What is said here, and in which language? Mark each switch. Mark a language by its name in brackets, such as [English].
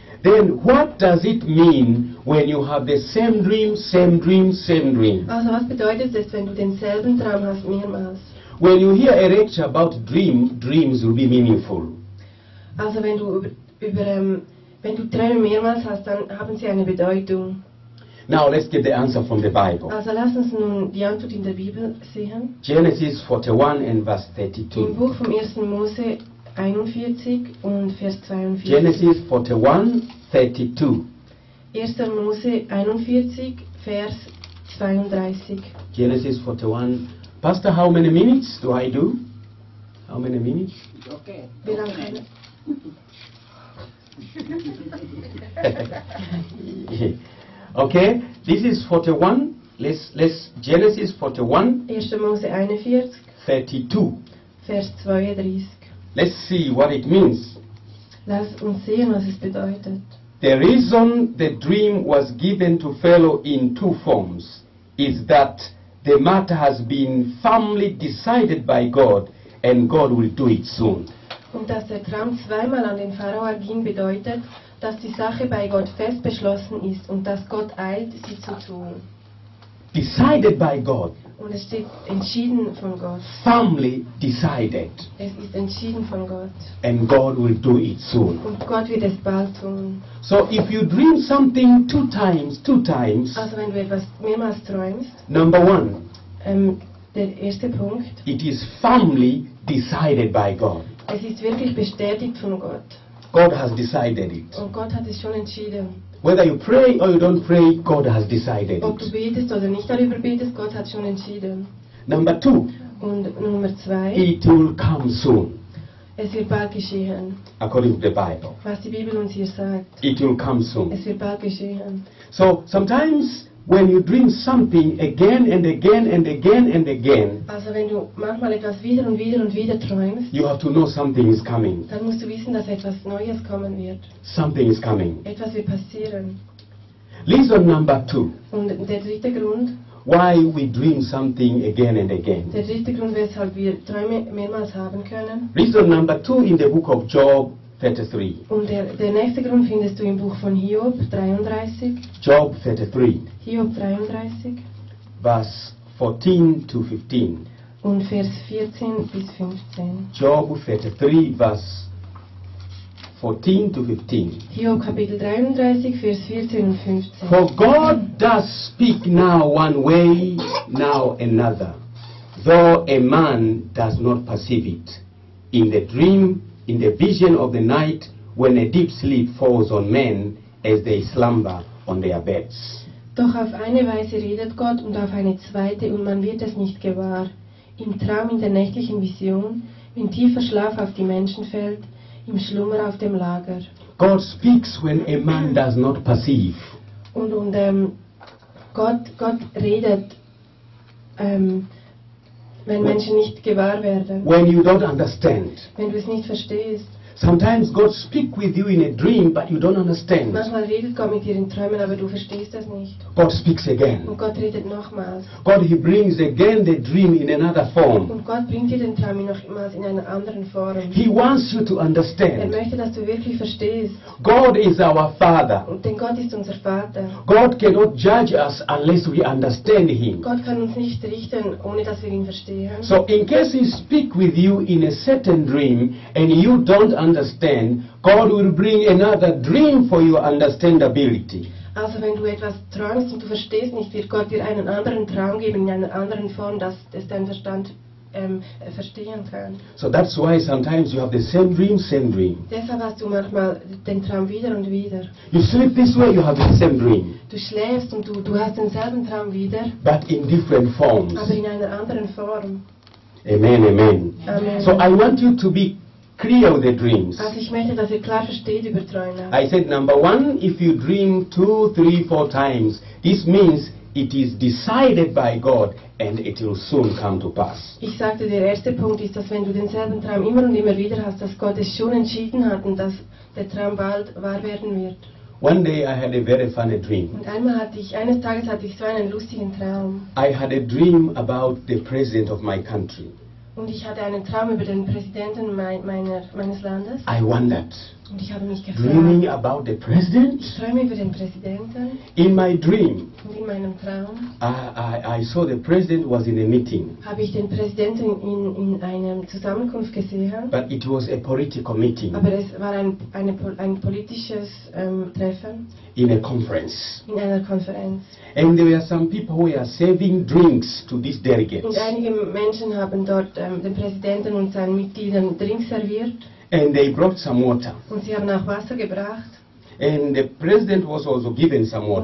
[English] Then what does it mean when you have the same dream, same dream, same dream? [German] Also was bedeutet es, wenn du denselben Traum hast mehrmals? [English] When you hear a lecture about dreams will be meaningful. [German] Also wenn du wenn du Träume mehrmals hast, dann haben sie eine Bedeutung. [English] Now let's get the answer from the Bible. [German] Also lass uns nun die Antwort in der Bibel sehen. [English] Genesis 41 and verse 32. [German] Im Buch vom 1. Mose 41 und Vers 42. [English] Genesis 41:32. [German] 1. Mose 41 Vers 32. [English] Genesis 41. Pastor, how many minutes do I do? How many minutes? Okay. Okay, this is 41. Let's Genesis 41. [German] 1. Mose 41. [English] 32. [German] Vers 32. [English] Let's see what it means. [German] Lass uns sehen, was es bedeutet. [English] The reason the dream was given to Pharaoh in 2 forms is that the matter has been firmly decided by God, and God will do it soon. [German] und dass der Traum zweimal an den Pharao ging, bedeutet, dass die Sache bei Gott fest beschlossen ist und dass Gott eilt, sie zu tun. [English] Decided by God. [German] Und es steht entschieden von Gott. [English] Firmly decided. [German] Es ist entschieden von Gott. [English] And God will do it soon. [German] Und Gott wird es bald tun. [English] So if you dream something two times. [German] Also wenn du etwas mehrmals träumst. [English] Number one. [German] Der erste Punkt. [English] It is firmly decided by God. [German] Es ist wirklich bestätigt von Gott. [English] God has decided it. [German] Und Gott hat es schon entschieden. [English] Whether you pray or you don't pray, God has decided. [German] Ob du betest oder nicht darüber betest, Gott hat schon entschieden. [English] Number two. [German] Und Nummer zwei. [English] It will come soon. [German] Es wird bald geschehen. [English] According to the Bible. [German] Was die Bibel uns hier sagt. [English] It will come soon. [German] Es wird bald geschehen. [English] So sometimes when you dream something again and again and again and again. [German] Also wenn du manchmal etwas wieder und wieder und wieder träumst. [English] You have to know something is coming. [German] Dann musst du wissen, dass etwas Neues kommen wird. [English] Something is coming. [German] Etwas wird passieren. [English] Reason number two. [German] Und der dritte Grund. [English] Why we dream something again and again. [German] Der dritte Grund, weshalb wir Träume mehrmals haben können. [English] Reason number two in the book of Job 33. [German] Und der nächste Grund findest du im Buch von Hiob 33. [English] Job 33. [German] Hiob 33. [English] Vers 14 to 15. [German] Und Vers 14 bis 15. [English] Job 33, Vers 14 to 15. [German] Hiob Kapitel 33, Vers 14 und 15. [English] For God does speak now one way, now another, though a man does not perceive it. In the dream, in the vision of the night, when a deep sleep falls on men as they slumber on their beds. [German] Doch auf eine Weise redet Gott und auf eine zweite und man wird es nicht gewahr. Im Traum, in der nächtlichen Vision, wenn tiefer Schlaf auf die Menschen fällt, im Schlummer auf dem Lager. [English] God speaks when a man does not perceive. [German] Und Gott redet, wenn Menschen nicht gewahr werden. [English] When you don't understand. [German] Wenn du es nicht verstehst. [English] Sometimes God speaks with you in a dream, but you don't understand. [German] Manchmal redet Gott mit dir in Träumen, aber du verstehst es nicht. [English] God speaks again. [German] Und Gott redet nochmals. [English] God, he brings again the dream in another form. [German] Und Gott bringt dir den Traum nochmals in einer anderen Form. [English] He wants you to understand. [German] Er möchte, dass du wirklich verstehst. [English] God is our Father. [German] Denn Gott ist unser Vater. [English] God cannot judge us unless we understand him. [German] Gott kann uns nicht richten, ohne dass wir ihn verstehen. [English] So in case he speaks with you in a certain dream and you don't understand, God will bring another dream for your understandability. [German] Also wenn du etwas träumst und du verstehst nicht, wird Gott dir einen anderen Traum geben, in einer anderen Form, dass es dein Verstand verstehen kann. [English] So that's why sometimes you have the same dream. [German] Deshalb hast du manchmal den Traum wieder und wieder. [English] You sleep this way, you have the same dream. [German] Du schläfst und du hast denselben Traum wieder. [English] But in different forms. [German] Aber in einer anderen Form. [English] Amen. So I want you to be clear of the dreams. [German] Also ich möchte, dass ihr klar versteht über Träume. [English] I said number one, if you dream 2, 3, 4 times, this means it is decided by God and it will soon come to pass. [German] Ich sagte, der erste Punkt ist, dass wenn du denselben Traum immer und immer wieder hast, dass Gott es schon entschieden hat und dass der Traum bald wahr werden wird. [English] One day I had a very funny dream. [German] Und einmal eines Tages hatte ich so einen lustigen Traum. [English] I had a dream about the president of my country. [German] Und ich hatte einen Traum über den Präsidenten meines Landes. [English] I wondered. [German] Und ich habe mich gefragt. [English] Dreaming about the president? [German] Ich träume über den Präsidenten. [English] In my dream. [German] Und in meinem Traum. [English] I saw the president was in a meeting. [German] Habe ich den Präsidenten in einem Zusammenkunft gesehen. [English] But it was a political meeting. [German] Aber es war ein politisches Treffen. [English] In a conference. [German] In einer Konferenz. [English] And there were some people who were serving drinks to these delegates. [German] Und einige Menschen haben dort den Präsidenten und seinen Mitgliedern Drinks serviert. [English] And they brought some water. [German] Und sie haben auch Wasser gebracht. [English] And the president was also given some water.